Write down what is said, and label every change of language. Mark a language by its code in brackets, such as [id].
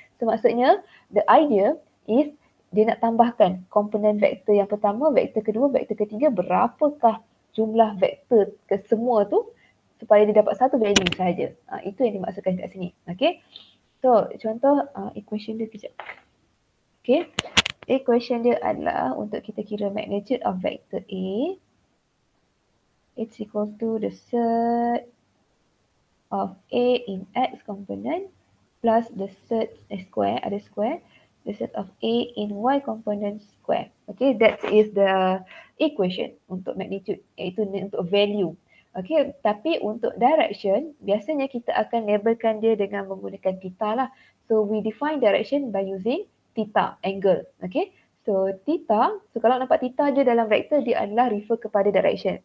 [ms] So maksudnya [en] the idea is [ms] dia nak tambahkan komponen vektor yang pertama, vektor kedua, vektor ketiga, berapakah jumlah vektor ke semua tu supaya dia dapat satu value sahaja. Itu yang dimaksudkan kat sini. Okay. So contoh equation dia kejap. Okay. Equation dia adalah untuk kita kira magnitude of vector A. [en] It's equal to the set of A in X component plus the set square, ada square. The set of A in Y component square. Okay, that is the equation untuk magnitude, iaitu untuk value. [ms] Okay, tapi untuk direction, biasanya kita akan labelkan dia dengan menggunakan theta lah. [en] So, we define direction by using theta angle. Okay, so theta, so [ms] kalau nampak theta je dalam vector, dia adalah refer kepada direction.